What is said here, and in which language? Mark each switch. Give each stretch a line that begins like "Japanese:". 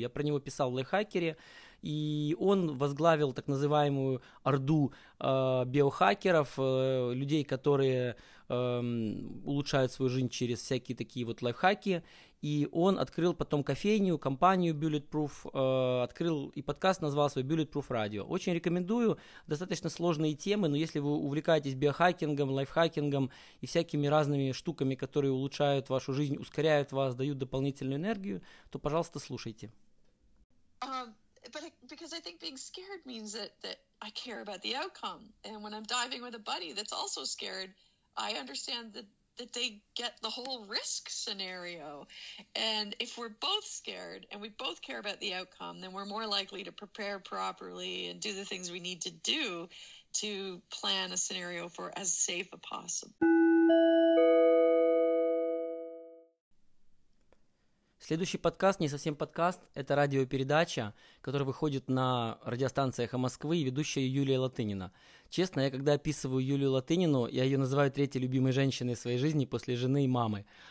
Russian: Я про него писал в Лайфхакере, и он возглавил так называемую орду биохакеров, людей, которые улучшают свою жизнь через всякие такие вот лайфхаки, и он открыл потом кофейню, компанию Bulletproof, открыл и подкаст назвал свой Bulletproof Radio. Очень рекомендую, достаточно сложные темы, но если вы увлекаетесь биохакингом, лайфхакингом и всякими разными штуками, которые улучшают вашу жизнь, ускоряют вас, дают дополнительную энергию, то, пожалуйста, слушайте.
English: But because I think being scared means that I care about the outcome. And when I'm diving with a buddy that's also scared, I understand that they get the whole risk scenario. And if we're both scared and we both care about the outcome, then we're more likely to prepare properly and do the things we need to do to plan a scenario for as safe as possible.
Russian: Следующий подкаст, не совсем подкаст, это радиопередача, которая выходит на радиостанции «Эхо Москвы», и ведущая Юлия Латынина. Честно, я когда описываю Юлию Латынину, я ее называю третьей любимой женщиной своей жизни после жены и мамы.